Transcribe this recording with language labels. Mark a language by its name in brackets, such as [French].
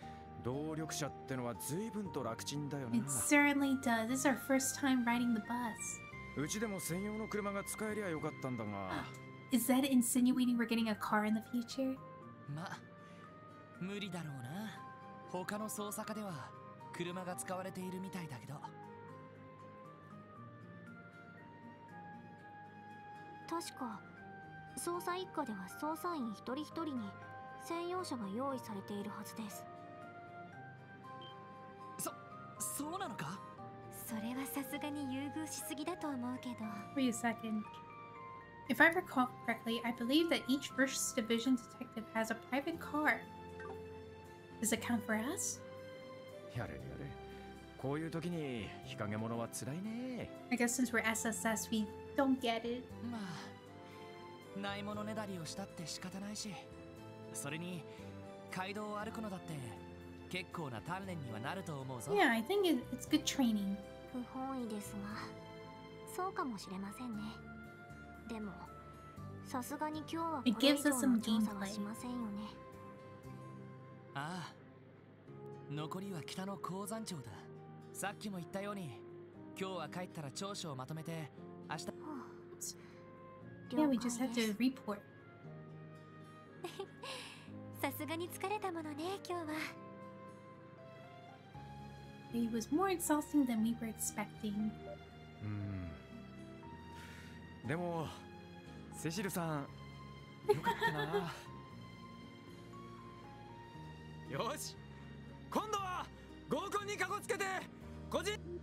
[Japanese] きれいな夕暮れね。はい。なんだか目に痛いくらいです。しかし、動力車ってのは随分と楽ちんだよな。 [English] It certainly does. This is our first time riding the bus. [Japanese] うちでも専用の車が使えりゃよかったんだが。 [English] Is that insinuating we're getting a car in the future? [Japanese] ま、無理だろうな。他の捜査課では車が使われているみたいだけど。確か、捜査一課では捜査員一人一人に専用車が用意されているはずです。そうなのか？それはさすがに優遇しすぎだと思うけど。 [English] Wait a second. If I recall correctly, I believe that each first division detective has a private car. Does it count for us? [Japanese] やれやれ。こういう時に日陰者は辛いね。 [English] I guess since we're SSS, we don't get it. [Japanese] まあ、ないものねだりをしたって仕方ないし。それに、街道を歩くのだって結構な鍛錬にはなると思うぞ。 [English] Yeah, I think it's good training. [Japanese] 不本意ですが、そうかもしれませんね。でも、さすがに今日はこれ以上の調査はしませんよね。ああ、残りは北の鉱山町だ。さっきも言ったように、今日は帰ったら調書をまとめて、明日。 [English] Yeah, we just had to report. [Japanese] さすがに疲れたものね、今日は。 [English] It was more exhausting than we were expecting. [Japanese] Demo, Cecil-san, [English] good. Okay, next time, put a tag on it.